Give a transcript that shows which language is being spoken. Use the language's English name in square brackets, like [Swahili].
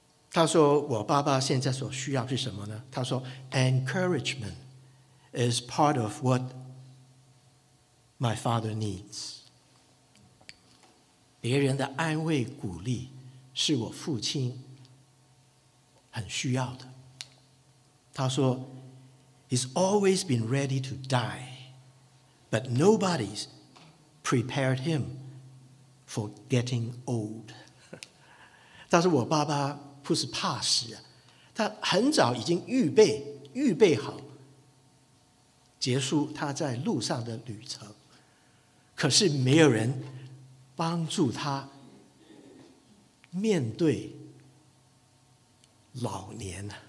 [Chinese] 他说，我爸爸现在所需要是什么呢？他说 [English] Encouragement is part of what my father needs， [Chinese] 别人的安慰鼓励是我父亲很需要的。他说 [English] He's always been ready to die， but nobody's prepared him for getting old。 [Chinese] 他说，我爸爸不是怕死，他很早已经预备好结束他在路上的旅程，可是没有人帮助他面对老年。